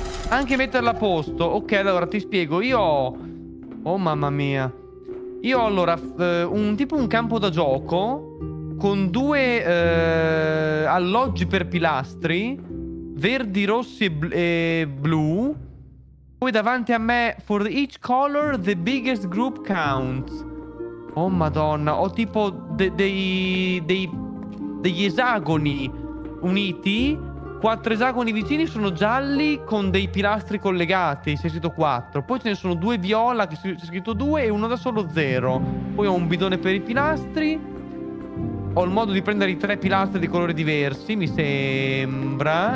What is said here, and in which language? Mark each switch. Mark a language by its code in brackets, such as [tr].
[it] Anche metterlo a posto. Ok, allora ti spiego. Io ho... Oh, mamma mia. Io ho allora un campo da gioco con due alloggi per pilastri, verdi, rossi e blu. Poi davanti a me, [en] for each color, the biggest group counts. [it] Oh madonna, ho tipo degli esagoni uniti. Quattro esagoni vicini sono gialli con dei pilastri collegati, c'è scritto 4. Poi ce ne sono due viola, che c'è scritto 2, e uno da solo 0. Poi ho un bidone per i pilastri. Ho il modo di prendere i tre pilastri di colori diversi, mi sembra.